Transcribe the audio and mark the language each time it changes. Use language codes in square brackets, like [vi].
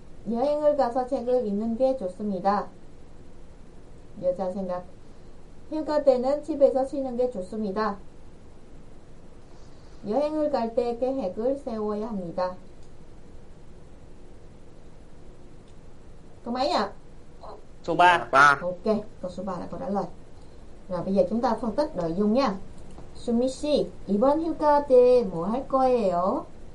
[ko] 여행을 가서 책을 읽는 게 좋습니다. 여자 생각, 휴가 때는 집에서 쉬는 게 좋습니다. 여행을 갈 때 계획을 세워야 합니다. 그럼 뭐야? 소바. 오케이, 또 소바라 그럴래. [vi] Rồi bây giờ chúng ta phân tích nội dung nha. [ko] Sumi shi, 이번 휴가 때 뭐 할 거예요?